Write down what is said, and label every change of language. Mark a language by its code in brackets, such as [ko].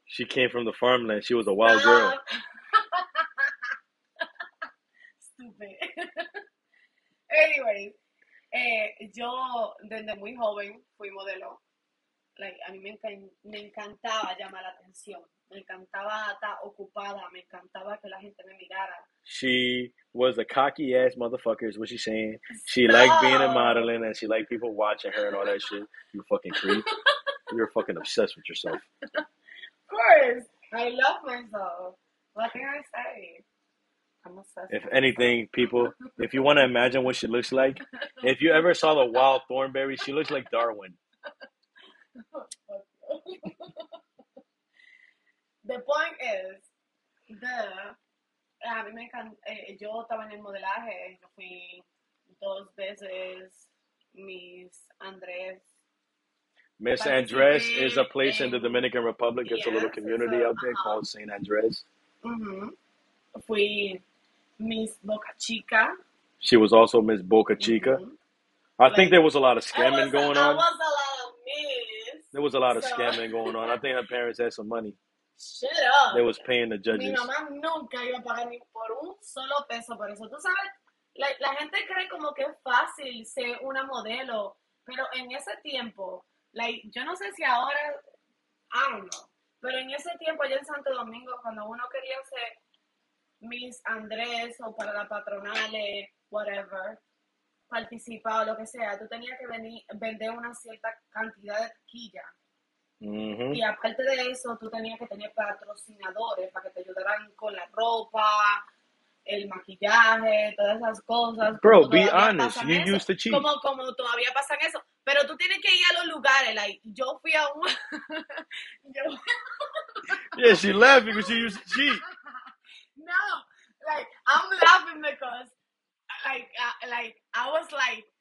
[en] She came from the farmland. She was a wild girl. Stupid. Anyway, [es] yo desde muy joven fui modelo. [en] Like, [es] a mí me encantaba llamar la atención. Me encantaba estar ocupada. Me encantaba que la gente me mirara. [en] She was a cocky ass motherfucker, is what she's saying. She liked being a modeling and she liked people watching her and all that shit. You fucking creep. You're fucking obsessed with yourself. Of course. I love myself. What can I say? If anything, people, if you want to imagine what she looks like, if you ever saw the wild Thornberry, she looks like Darwin. The point is, the, [es] a mí me encanta, yo estaba en el modelaje, yo fui dos veces, Miss Andrés. [en] Miss Andrés is a place in the Dominican Republic. It's a little community out there called St. Andrés. [es] Mm-hmm. Fui Miss Boca Chica. [en] She was also Miss Boca Chica. Mm-hmm. I think there was a lot of scamming going on. There was a lot of Miss. There was a lot of scamming going on. I think her parents had some money. Shut up. They was paying the judges. [es] Mi mamá nunca iba a pagar ni por un solo peso por eso. Tú sabes, la gente cree como que es fácil ser una modelo, pero en ese tiempo, [en] like, [es] yo no sé si ahora, [en] I don't know, [es] pero en ese tiempo allá en Santo Domingo, cuando uno quería ser Miss Andrés o para las patronales, [en] whatever, [es] participar o lo que sea, tú tenías que vender una cierta cantidad de taquilla. Mm-hmm. Y aparte de eso, tú tenías que tener patrocinadores para que te ayudaran con la ropa, el maquillaje, todas esas cosas. [en] Bro, be honest, you used to cheat. [es] Como todavía pasa eso. Pero tú tienes que ir a los lugares, [en] like, [es] yo fui a un... [en] Yeah, she laughed because she used to cheat. No, like, I'm laughing because, like, I was like,